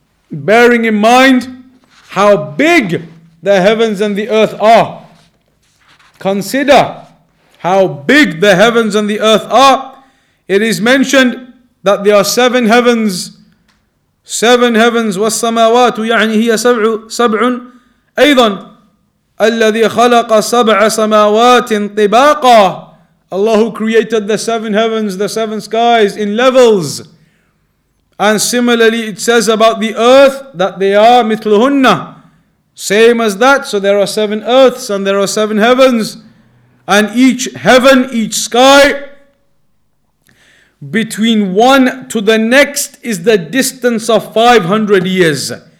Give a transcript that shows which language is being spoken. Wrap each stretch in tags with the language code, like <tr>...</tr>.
<en>Bearing in mind how big the heavens and the earth are. Consider how big the heavens and the earth are. It is mentioned that there are seven heavens. Seven heavens,</en> <ar>والسماوات يعني هي سبع أيضا الذي خلق سبع سماوات طباقا.</ar> <en>Allah who created the seven heavens, the seven skies in levels. And similarly it says about the earth that they are مثلهن. Same as that, so there are seven earths and there are seven heavens. And each heaven, each sky, between one to the next is the distance of 500 years.</en>